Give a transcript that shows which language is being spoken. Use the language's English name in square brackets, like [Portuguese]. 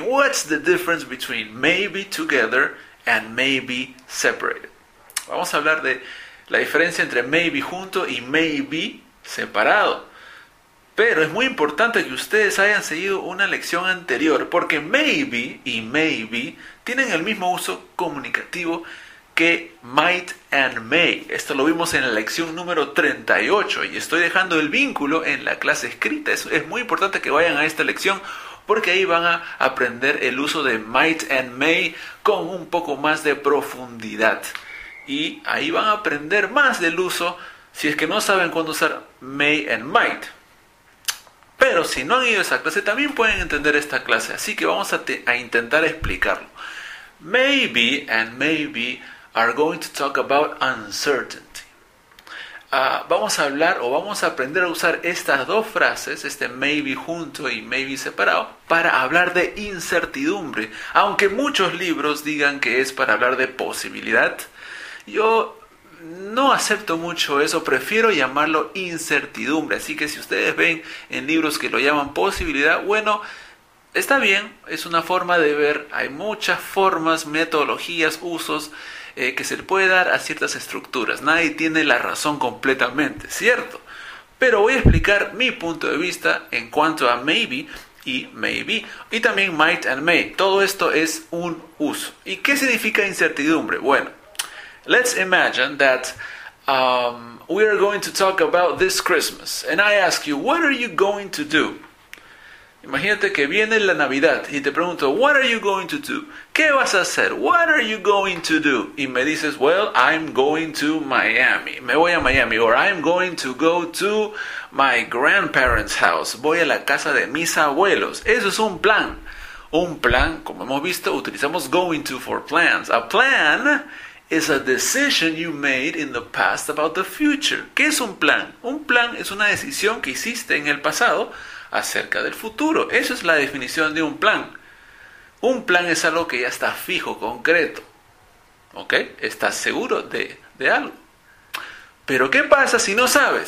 [English] What's the difference between maybe together and maybe separated? [Spanish] Vamos a hablar de la diferencia entre maybe junto y maybe separado. Pero es muy importante que ustedes hayan seguido una lección anterior, porque maybe y maybe tienen el mismo uso comunicativo que might and may. Esto lo vimos en la lección número 38 y estoy dejando el vínculo en la clase escrita. Es muy importante que vayan a esta lección, porque ahí van a aprender el uso de might and may con un poco más de profundidad. Y ahí van a aprender más del uso si es que no saben cuándo usar may and might. Pero si no han ido a esa clase, también pueden entender esta clase. Así que vamos a intentar explicarlo. [English] Maybe and maybe are going to talk about uncertainty. [Spanish] Vamos a hablar o vamos a aprender a usar estas dos frases, este maybe junto y maybe separado, para hablar de incertidumbre. Aunque muchos libros digan que es para hablar de posibilidad, yo no acepto mucho eso, prefiero llamarlo incertidumbre. Así que si ustedes ven en libros que lo llaman posibilidad, bueno, está bien, es una forma de ver. Hay muchas formas, metodologías, usos que se le puede dar a ciertas estructuras. Nadie tiene la razón completamente, ¿cierto? Pero voy a explicar mi punto de vista en cuanto a maybe y maybe. Y también might and may. Todo esto es un uso. ¿Y qué significa incertidumbre? [English] Bueno, let's imagine that we are going to talk about this Christmas. And I ask you, what are you going to do? [Spanish] Imagínate que viene la Navidad y te pregunto, [English] what are you going to do? [Spanish] ¿Qué vas a hacer? [English] What are you going to do? [Spanish] Y me dices, [English] well, I'm going to Miami. [Spanish] Me voy a Miami. [English] Or I'm going to go to my grandparents' house. [Spanish] Voy a la casa de mis abuelos. Eso es un plan. Un plan, como hemos visto, utilizamos [English] going to for plans. A plan is a decision you made in the past about the future. [Spanish] ¿Qué es un plan? Un plan es una decisión que hiciste en el pasado acerca del futuro. Esa es la definición de un plan. Un plan es algo que ya está fijo, concreto. ¿Ok? Estás seguro de algo. Pero ¿qué pasa si no sabes?